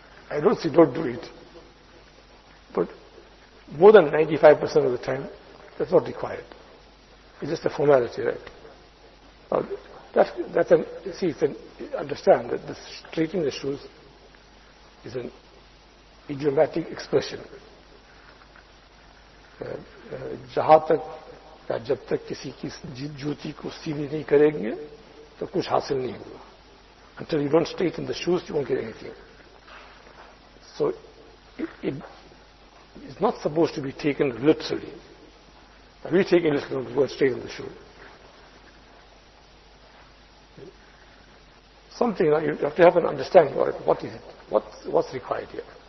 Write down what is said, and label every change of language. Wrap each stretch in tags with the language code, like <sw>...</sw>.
<en>I don't say don't do it. But more than 95% of the time, that's not required. It's just a formality, right? Now, understand that the straightening the shoes is an idiomatic expression.</en> <ur>جہاں تک یا جب تک کسی کی جوتی کو سیدھی نہیں کریں گے تو کچھ حاصل نہیں ہوگا.</ur> <en>Until you don't straighten the shoes, you won't get anything. So, it's not supposed to be taken literally. Are we taking this to go straight in the shoe? Something like you have to have an understanding of what is it? What's required here?</en>